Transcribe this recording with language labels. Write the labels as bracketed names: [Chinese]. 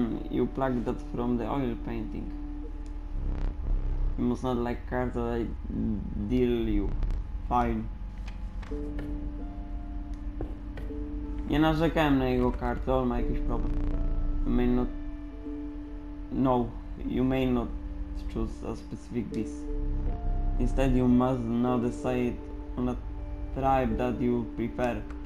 [English] You plucked that from the oil painting. You must not like cards that I deal you. Fine. [Polish] Nie narzekałem na jego kartę, on ma jakiś problem. [English] You may not... No, you may not choose a specific beast. Instead, you must now decide on a tribe that you prefer.